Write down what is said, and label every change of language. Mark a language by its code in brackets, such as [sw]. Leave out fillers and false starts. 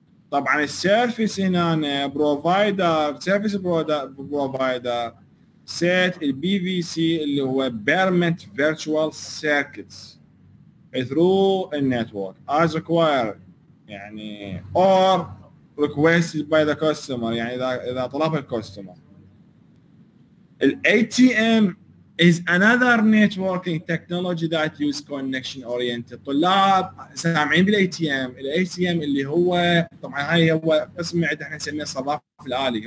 [en] طبعا السيرفيس هنا بروفايدر سيرفيس بروفايدر سيت البي في سي [ar] اللي هو [en] permanent virtual circuits through a network as required [ar] يعني [en] or requested by the customer. [ar] يعني إذا طلب ال customer. [en] ال ATM is another networking technology that use connection oriented. [ar] طلاب سامعين بال ATM. ال ATM اللي هو طبعا هاي هو اسمه عدنا احنا نسميه الصراف الآلي.